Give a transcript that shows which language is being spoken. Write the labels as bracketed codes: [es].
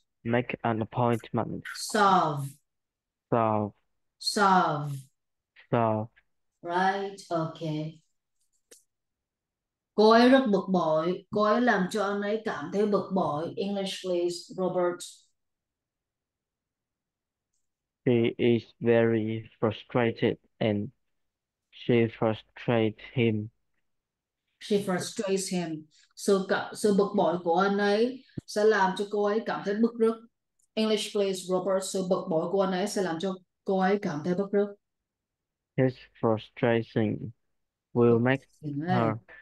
[en] make an appointment, Solve. solve, Solve. solve. Right, okay. [vi] Cô ấy rất bực bội. Cô ấy làm cho anh ấy cảm thấy bực bội. [en] English please, Robert. He is very frustrated and she frustrates him. She frustrates him. [vi] Sự bực bội của anh ấy sẽ làm cho cô ấy cảm thấy bức rứt. [en] English please, Robert. [vi] Sự bực bội của anh ấy sẽ làm cho cô ấy cảm thấy bức rứt. [en] His frustration will make His her.